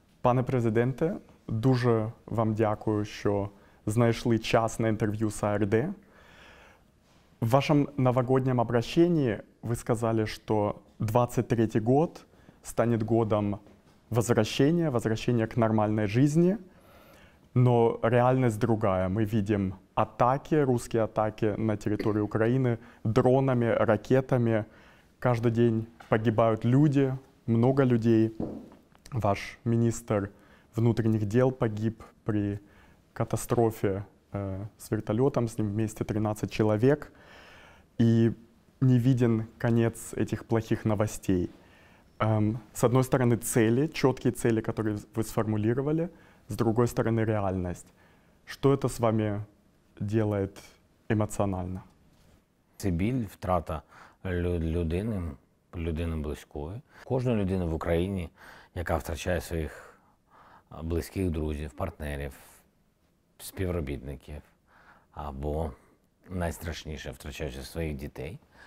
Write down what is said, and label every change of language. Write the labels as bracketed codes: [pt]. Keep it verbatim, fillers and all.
[uk] Пане президенте, дуже вам дякую, [ru] що знайшли час на интервью с АРД. В вашем новогоднем обращении вы сказали, что двадцать третий год станет годом возвращения, возвращения к нормальной жизни, но реальность другая. Мы видим атаки, русские атаки на территории Украины дронами, ракетами. Каждый день погибают люди, много людей. Ваш министр внутренних дел погиб при катастрофе э, с вертолетом, с ним вместе тринадцать человек. И не виден конец этих плохих новостей. Эм, с одной стороны цели, четкие цели, которые вы сформулировали, с другой стороны реальность. Что это с вами делает эмоционально? [uk] Це біль, втрата людини, людини близької. Кожна людина в Україні, яка втрачає своїх близьких друзів, партнерів, співробітників або найстрашніше втрачаючи своїх дітей.